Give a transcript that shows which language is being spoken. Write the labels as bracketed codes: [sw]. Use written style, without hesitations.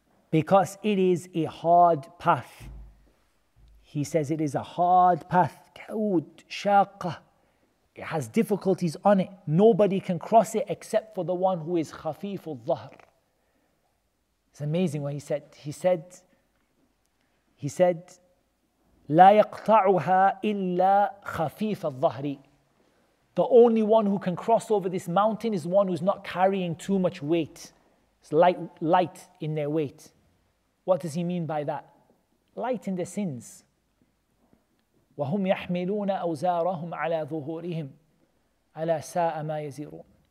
[en] Because it is a hard path. He says it is a hard path. [ar] كَعُود شَاقَة. [en] It has difficulties on it. Nobody can cross it except for the one who is [ar] خَفِيفُ الظَّهْر. [en] It's amazing what he said. He said, [ar] لَا يَقْطَعُهَا إِلَّا خَفِيفَ الظَّهْرِ. [en] The only one who can cross over this mountain is one who's not carrying too much weight. It's light in their weight. What does he mean by that? Light in their sins. [ar] وَهُمْ يَحْمِلُونَ أَوْزَارَهُمْ عَلَىٰ ظُهُورِهِمْ عَلَىٰ سَاءَ مَا يَزِيرُونَ.